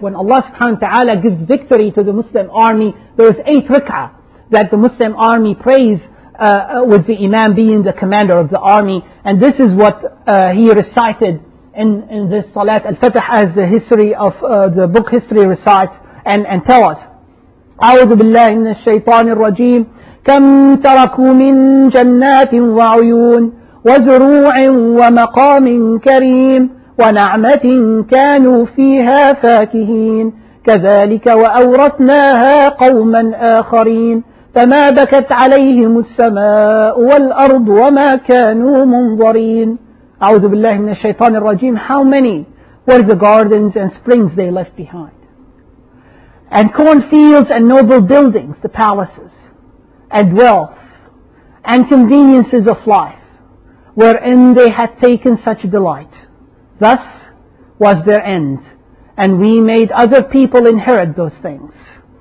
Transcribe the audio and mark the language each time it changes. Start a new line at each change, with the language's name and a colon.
English: When Allah subhanahu wa ta'ala gives victory to the Muslim army, there is 8 rik'ah that the Muslim army prays with the imam being the commander of the army. And this is what he recited in this Salat al-Fatih, as the history of the book history recites and tell us.
Arabic: أعوذ بالله من الشيطان الرجيم كم تركوا من جنات وعيون وزروع ومقام كريم ونعمة كانوا فيها فاكهين كذلك وأورثناها قوما آخرين فما بكت عليهم السماء والأرض وما كانوا منظرين. أعوذ بالله من الشيطان الرجيم.
English: How many were the gardens and springs they left behind? And cornfields and noble buildings, the palaces, and wealth, and conveniences of life, wherein they had taken such delight. Thus was their end, and we made other people inherit those things.